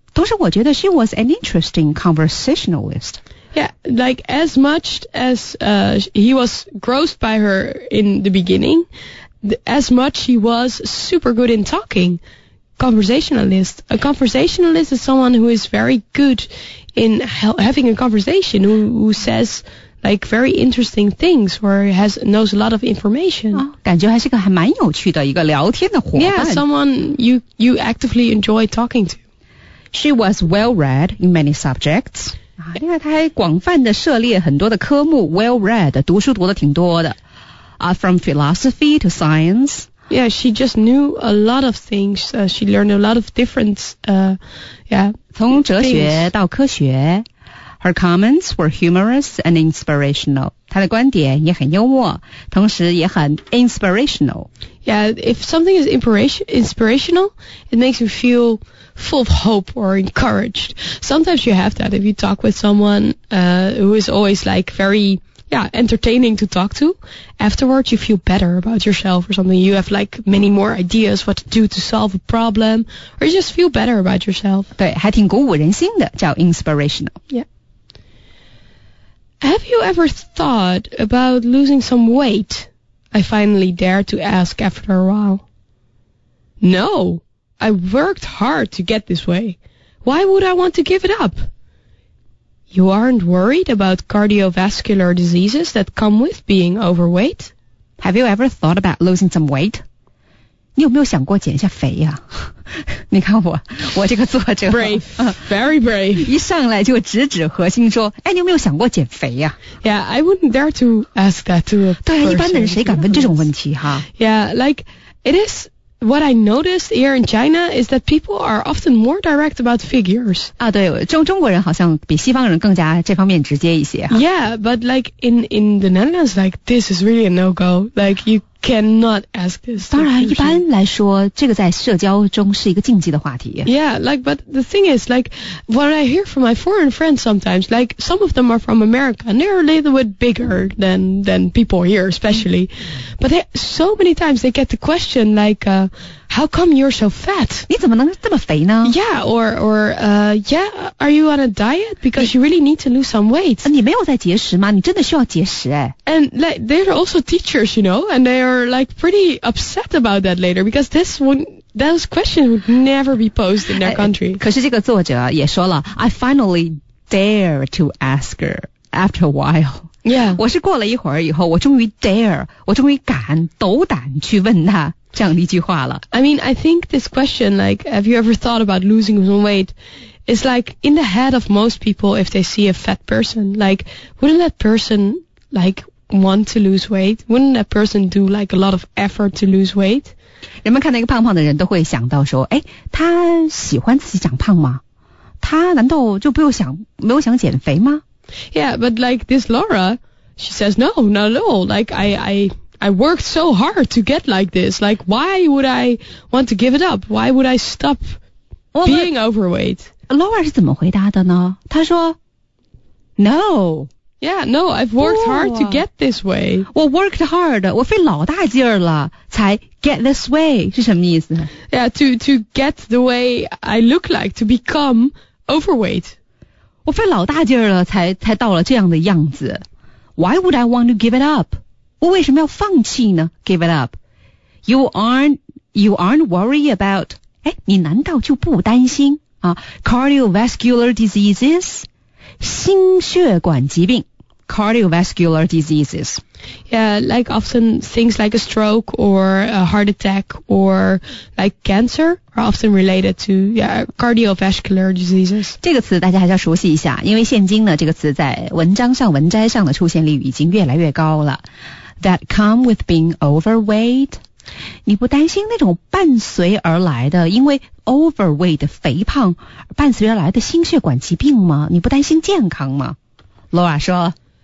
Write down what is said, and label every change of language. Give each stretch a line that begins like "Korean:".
Chinese: 同时我觉得
English: she was an interesting conversationalist. Yeah, like as much as he was grossed by her in the beginning, as much he was super good in talking. Conversationalist. A conversationalist is someone who is very good in having a conversation, who says like very interesting things, or knows a lot of information.
Chinese: 感觉还是个还蛮有趣的一个聊天的伙伴。
English: Yeah, someone you actively enjoy talking to. She was well-read in many subjects.
Chinese: 另外她还广泛地涉猎很多的科目 ,well-read, 读书读得挺多的。
English: From philosophy to science. Yeah, she just knew a lot of things. She learned a lot of different,
Chinese: things. 从哲学到科学。
English: Her comments were humorous and inspirational.
Chinese: 她的观点也很幽默，同时也很 inspirational.
English: Yeah, if something is inspirational, it makes you feel full of hope or encouraged. Sometimes you have that if you talk with someone who is always like very, entertaining to talk to. Afterwards, you feel better about yourself or something. You have like many more ideas what to do to solve a problem. Or you just feel better about yourself.
Chinese: 对，还挺鼓舞人心的，叫 inspirational.
English: Yeah. Have you ever thought about losing some weight? I finally dared to ask after a while. No, I worked hard to get this way. Why would I want to give it up? You aren't worried about cardiovascular diseases that come with being overweight? Have you ever thought about losing some weight?
Chinese: 你有没有想过减一下肥呀、你看我这个作者
English: brave, very brave,
Chinese: 一上来就直指核心说，哎，你有没有想过减肥呀？
English: Yeah, I wouldn't dare to ask that to a person.
Chinese: 对，一般的人谁敢问这种问题哈？
English: Yeah, like it is what I noticed here in China is that people are often more direct about figures.
Chinese: 啊，对，中国人好像比西方人更加这方面直接一些哈。
English: Yeah, but like in the Netherlands, like this is really a no go. Like you. Cannot ask this.
Chinese: 当然一般来说这个在社交中是一个禁忌的话题。
English: Yeah, like, but the thing is, like, what I hear from my foreign friends sometimes, like, some of them are from America, and they're a little bit bigger than people here, especially. But they, so many times they get the question, like, how come you're so fat?
Chinese: 你怎么能这么肥呢?
English: Yeah, or, are you on a diet? Because you really need to lose some weight.
Chinese: 你没有在节食吗?你真的需要节食诶。
English: And, like, they're also teachers, you know, and they are, like, pretty upset about that later, because those questions would never be posed in their country.
Chinese: 可是这个作者也说了,
English: I finally dare to ask her after a while. Yeah.
Chinese: 我是过了一会儿以后我终于 dare 我终于敢斗胆去问他这样的一句话了。
English: I mean, I think this question, like, have you ever thought about losing some weight? It's like in the head of most people if they see a fat person, like, wouldn't that person, like, want to lose weight? Wouldn't that person do, like, a lot of effort to lose weight?
Chinese: 人们看到一个胖胖的人都会想到说诶他喜欢自己长胖吗他难道就没有想减肥吗
English: Yeah, but like this Laura, she says, no, not at all. Like, I worked so hard to get like this. Like, why would I want to give it up? Why would I stop being overweight?
Chinese: Laura 是怎么回答的呢? 她说, no.
English: Yeah, no, I've worked hard to get this way.
Chinese: 我
English: worked hard,
Chinese: 我费老大劲儿了才
English: get this way,
Chinese: 是什么意思?
English: Yeah, to get the way I look like, to become overweight.
Chinese: 我费老大劲儿了才到了这样的样子。
English: Why would I want to give it up?
Chinese: 我为什么要放弃呢?
English: Give it up. You aren't you aren't worried about,
Chinese: 哎，你难道就不担心啊 ？
English: Cardiovascular diseases,
Chinese: 心血管疾病。
English: Cardiovascular diseases. Yeah, like often things like a stroke or a heart attack or like cancer are often related to cardiovascular diseases.
Chinese: 这个词大家还是要熟悉一下，因为现今呢，这个词在文章上、文摘上的出现率已经越来越高了。
English: That come with being overweight.
Chinese: 你不担心那种伴随而来的，因为 overweight 肥胖伴随而来的心血管疾病吗？你不担心健康吗 ？Laura 说。